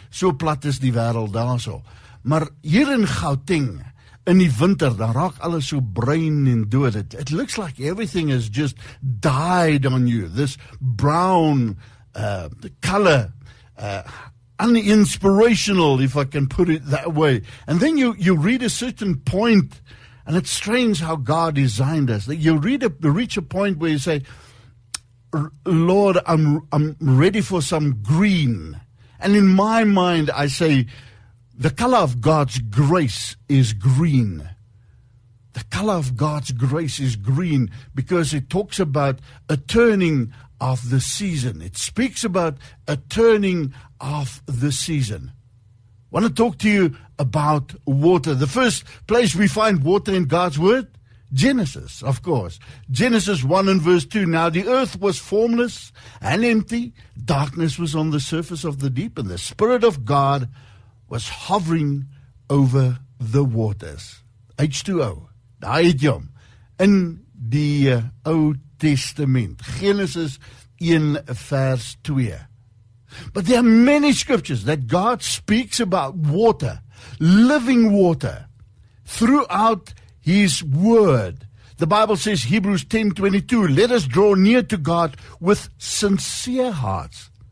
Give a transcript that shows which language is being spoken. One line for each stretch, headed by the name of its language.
Afrikaans: So plat is die wêreld daarso. Maar hier in Gauteng, in die winter, dan raak alles so bruin en dood.
English: It looks like everything has just died on you. This brown color, uninspirational, if I can put it that way. And then you read a certain point, and it's strange how God designed us. You reach a point where you say, Lord, I'm ready for some green. And in my mind, I say, the color of God's grace is green. The color of God's grace is green because it talks about a turning of the season. It speaks about a turning of the season. I want to talk to you about water. The first place we find water in God's word, Genesis, of course. Genesis 1 and verse 2. Now the earth was formless and empty. Darkness was on the surface of the deep, and the Spirit of God was hovering over the waters.
Afrikaans: H2O, daai het jy hom, in die Ou Testament. Genesis 1 vers 2.
English: But there are many scriptures that God speaks about water, living water, throughout his word. The Bible says, Hebrews 10:22, let us draw near to God with sincere hearts.